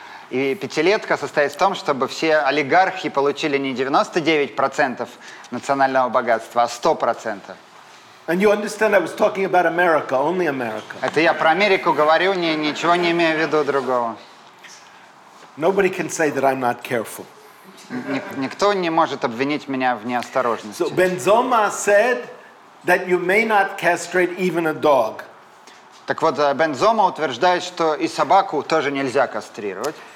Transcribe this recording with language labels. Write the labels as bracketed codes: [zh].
[ru] И пятилетка состоит в том, чтобы все олигархи получили не 99% национального богатства, а 100%. [en] And you understand I was talking about America, only America. [ru] Это я про Америку говорю, ничего не имею в виду другого. [en] Nobody can say that I'm not careful. [ru] Никто не может обвинить меня в неосторожности. [en] So Бензома said that you may not castrate even a dog. [ru] Так вот, Бензома утверждает, что и собаку тоже нельзя кастрировать.